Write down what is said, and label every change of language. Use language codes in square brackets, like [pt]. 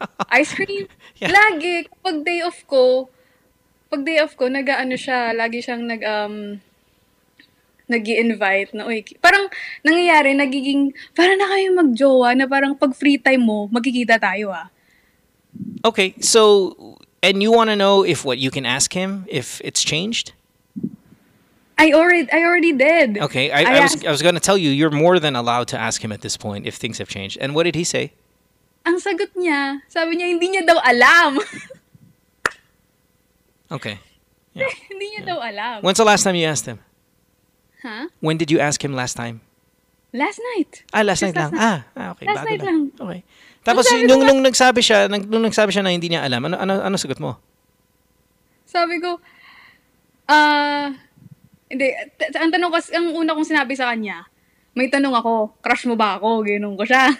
[tl] Ice cream? Yeah. Lagi, kapag day off ko, pag day off ko, lagi siyang nag-i-invite na, uy, parang nangyayari, nagiging, parang na kayo mag-jowa na parang pag free time mo, magkikita tayo, ah. [en] Okay, so, and you wanna know if what you can ask him, if it's changed? I already did. Okay, I was gonna tell you, you're more than allowed to ask him at this point if things have changed. And what did he say? [tl] Ang sagot niya, sabi niya, hindi niya daw alam. [en] Okay. [tl] Hindi niya daw alam. [en] When's the last time you asked him? Huh? When did you ask him last time? Last night. Last night. Okay. Last night lang. Okay. [tl] Tapos nung nagsabi siya na hindi niya alam, ano sagot mo? Sabi ko, hindi. Ang tanong kasi, ang una kong sinabi sa kanya, may tanong ako, crush mo ba ako? Ganun ko siya.